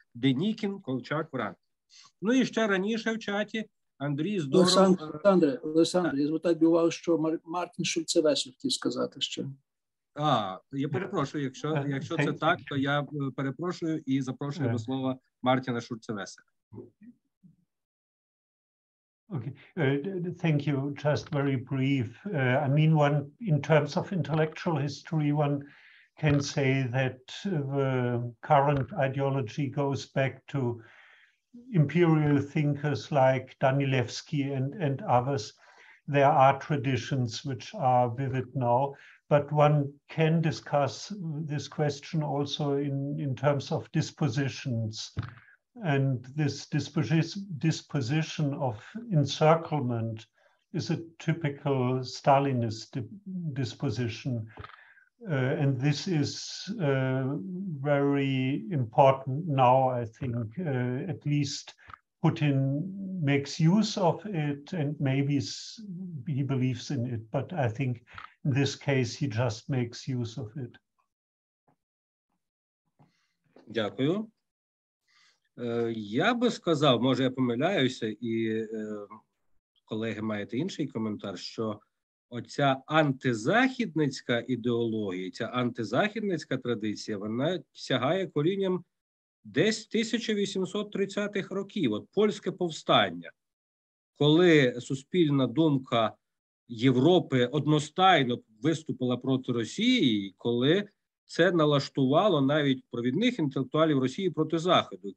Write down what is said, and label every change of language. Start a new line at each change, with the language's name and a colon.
Ukrainian: Денікін, Колчак, Вранд. Ну і ще раніше в чаті Андрій Здоров. Олександре, я звертаю увагу, що Мартін Шульцевесер хотів сказати ще. А, я перепрошую, якщо це так, то я перепрошую і запрошую до слова Мартіна Шульцевесера.
English: Okay, thank you, just very brief. I mean, one, in terms of intellectual history, one can say that the current ideology goes back to imperial thinkers like Danilevsky and others. There are traditions which are vivid now, but one can discuss this question also in terms of dispositions. And this disposition of encirclement is a typical Stalinist disposition. And this is very important now, I think. At least Putin makes use of it, and maybe he believes in it, but I think in this case he just makes use of it.
Ukrainian: Дякую. Я би сказав, може я помиляюся, і колеги маєте інший коментар, що оця антизахідницька ідеологія, ця антизахідницька традиція, вона сягає корінням десь 1830-х років, от польське повстання, коли суспільна думка Європи одностайно виступила проти Росії, коли це налаштувало навіть провідних інтелектуалів Росії проти Заходу.